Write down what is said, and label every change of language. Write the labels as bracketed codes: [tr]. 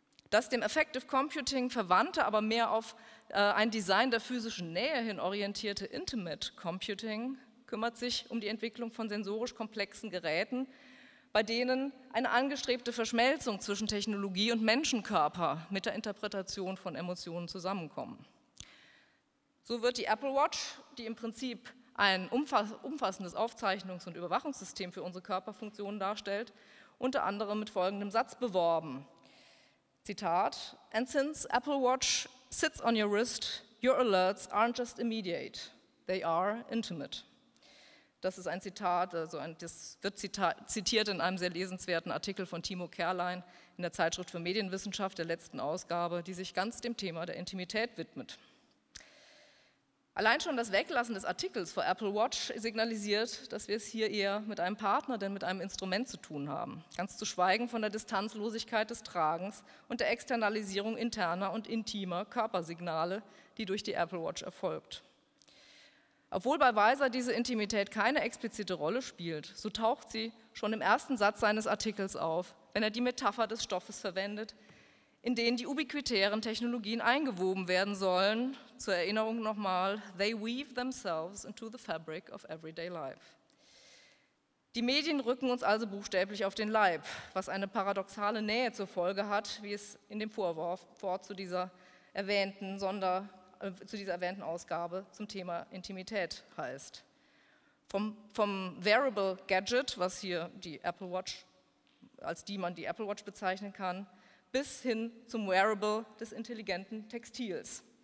[de] Das dem Affective Computing verwandte, aber mehr auf ein Design der physischen Nähe hin orientierte Intimate Computing kümmert sich um die Entwicklung von sensorisch komplexen Geräten, bei denen eine angestrebte Verschmelzung zwischen Technologie und Menschenkörper mit der Interpretation von Emotionen zusammenkommen. So wird die Apple Watch, die im Prinzip ein umfassendes Aufzeichnungs- und Überwachungssystem für unsere Körperfunktionen darstellt, unter anderem mit folgendem Satz beworben. [en] Zitat: "And since Apple Watch sits on your wrist, your alerts aren't just immediate, they are intimate." [de] Das ist ein Zitat, also das wird zitiert in einem sehr lesenswerten Artikel von Timo Kerlein in der Zeitschrift für Medienwissenschaft der letzten Ausgabe, die sich ganz dem Thema der Intimität widmet. Allein schon das Weglassen des Artikels vor Apple Watch signalisiert, dass wir es hier eher mit einem Partner, denn mit einem Instrument zu tun haben. Ganz zu schweigen von der Distanzlosigkeit des Tragens und der Externalisierung interner und intimer Körpersignale, die durch die Apple Watch erfolgt. Obwohl bei Weiser diese Intimität keine explizite Rolle spielt, so taucht sie schon im ersten Satz seines Artikels auf, wenn er die Metapher des Stoffes verwendet, in denen die ubiquitären Technologien eingewoben werden sollen. Zur Erinnerung nochmal, [en] they weave themselves into the fabric of everyday life. [de] Die Medien rücken uns also buchstäblich auf den Leib, was eine paradoxale Nähe zur Folge hat, wie es in dem Vorwort zu dieser erwähnten Ausgabe zum Thema Intimität heißt. Vom Wearable Gadget, was hier die Apple Watch, als die man die Apple Watch bezeichnen kann, bis hin zum Wearable des intelligenten Textils.